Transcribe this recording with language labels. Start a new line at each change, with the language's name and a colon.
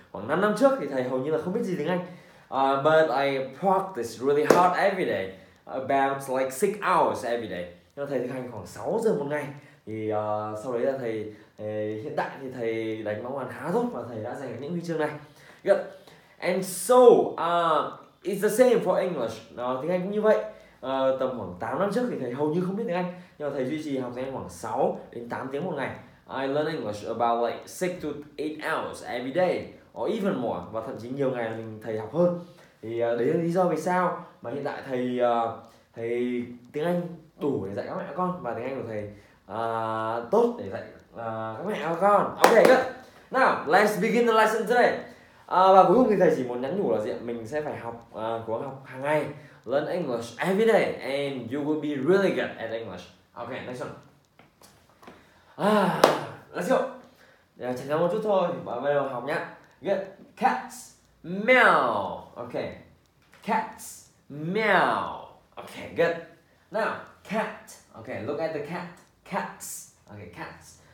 Vietnamese: Khoảng 5 năm trước thì thầy hầu như là không biết gì tiếng Anh.
English: But I practice really hard every day, about like 6 hours every day.
Vietnamese: Nhưng mà thầy thực hành khoảng 6 giờ một ngày. Thì sau đấy là thầy hiện tại thì thầy đánh bóng bàn khá tốt và thầy đã giành được những huy chương này. Good.
English: And so, it's the same for English.
Vietnamese: Tiếng Anh cũng như vậy. Tầm khoảng 8 năm trước thì thầy hầu như không biết tiếng Anh. Nhưng mà thầy duy trì học tiếng Anh khoảng 6 đến 8 tiếng một ngày.
English: I learn English about like 6 to 8 hours every day. Or even more.
Vietnamese: Và thậm chí nhiều ngày mình thầy học hơn. Thì đấy là lý do vì sao mà hiện tại thầy tiếng Anh đủ để dạy các mẹ con. Và tiếng Anh của thầy tốt để dạy các mẹ con. Okay, good.
English: Now, let's begin the lesson today.
Vietnamese: Và cuối cùng thì thầy chỉ muốn nhắn nhủ là gì? Mình sẽ phải học cố gắng học hàng ngày.
English: Learn English every day and you will be really good at English. Okay, next one. Let's go.
Vietnamese: Yeah, chỉ cần một chút thôi, bắt đầu học nhá.
English: Good. Cats, meow. Okay. Cats, meow. Okay, good. Now, cat. Okay, look at the cat. Cats. Okay, cats.